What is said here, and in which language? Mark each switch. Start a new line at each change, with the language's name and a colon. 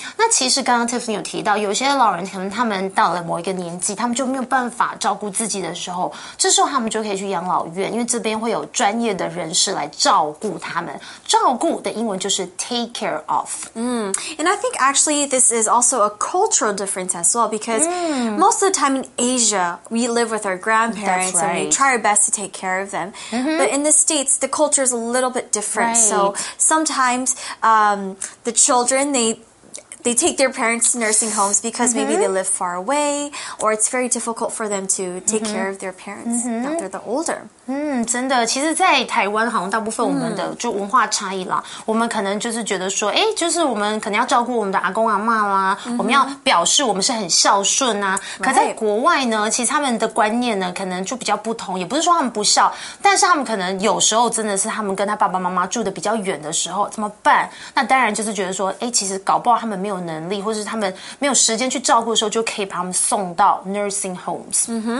Chinese: 那其实刚刚 Tiffany 有提到，有些老人可能他们到了某一个年纪，他们就没有办法照顾自己的时候，这时候他们就可以去养老院，因为这边会有专业的人士来照顾他们。照顾的英文就是
English: take care of。 And I think actually this is also a cultural difference as well because most of the time in Asia we live with our grandparents, right. And we try our best to take care of them. Mm-hmm. But in the States, the culture is a little bit different. So sometimes the children, they take their parents to nursing homes because mm-hmm. maybe they live far away or it's very difficult for them to take mm-hmm. care of their parents mm-hmm. now they're the older.
Chinese: 真的，其实在台湾好像大部分我们的就文化差异啦，我们可能就是觉得说，哎，就是我们可能要照顾我们的阿公阿嬷啦，我们要表示我们是很孝顺啊。可在国外呢，其实他们的观念呢可能就比较不同，也不是说他们不孝，但是他们可能有时候真的是他们跟他爸爸妈妈住的比较远的时候怎么办，那当然就是觉得说，哎，其实搞不好他们没有能力或是他们没有时间去照顾的时候，就可以把他们送到 nursing homes。